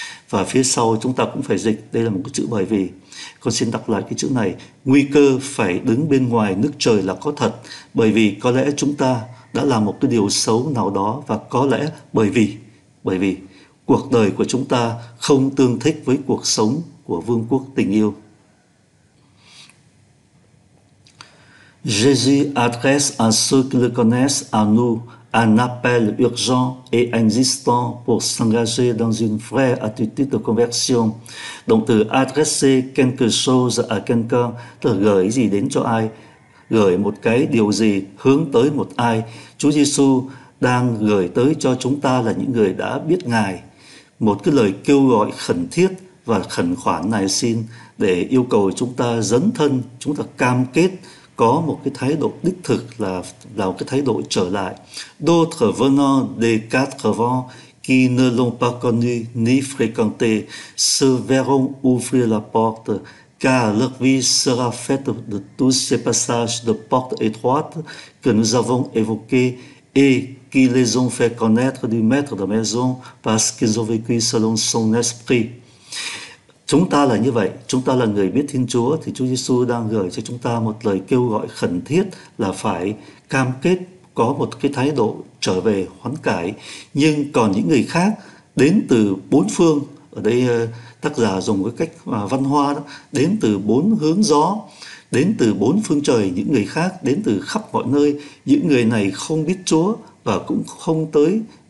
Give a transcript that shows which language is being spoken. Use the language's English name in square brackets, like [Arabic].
[Vietnamese] Và phía sau chúng ta cũng phải dịch, đây là một cái chữ bởi vì. Con xin đọc lại cái chữ này, nguy cơ phải đứng bên ngoài nước trời là có thật, bởi vì có lẽ chúng ta đã làm một cái điều xấu nào đó, và có lẽ bởi vì cuộc đời của chúng ta không tương thích với cuộc sống của vương quốc tình yêu. [French] Jésus adresse à ceux qui le connaissent à nous un appel urgent et insistant pour s'engager dans une vraie attitude de conversion. Donc de adresser quelque chose à quelqu'un, [Vietnamese] tức là gửi gì đến cho ai, gửi một cái điều gì hướng tới một ai. Chúa Giêsu đang gửi tới cho chúng ta là những người đã biết Ngài một cái lời kêu gọi khẩn thiết và khẩn khoản nài xin, để yêu cầu chúng ta dấn thân, chúng ta cam kết có một cái thái độ đích thực, là một cái thái độ trở lại. [French] D'autres venant des quatre vents qui ne l'ont pas connu ni fréquenté se verront ouvrir la porte, car leur vie sera faite de tous ces passages de portes étroites que nous avons évoqués et qui les ont fait connaître du maître de maison parce qu'ils ont vécu selon son esprit. [Vietnamese] Chúng ta là như vậy, chúng ta là người biết Thiên Chúa, thì Chúa Giêsu đang gửi cho chúng ta một lời kêu gọi khẩn thiết là phải cam kết có một cái thái độ trở về hoán cải. Nhưng còn những người khác đến từ bốn phương, ở đây tác giả dùng cái cách văn hoa đó, đến từ bốn hướng gió, đến từ bốn phương trời, những người khác đến từ khắp mọi nơi, những người này không biết Chúa và cũng không tới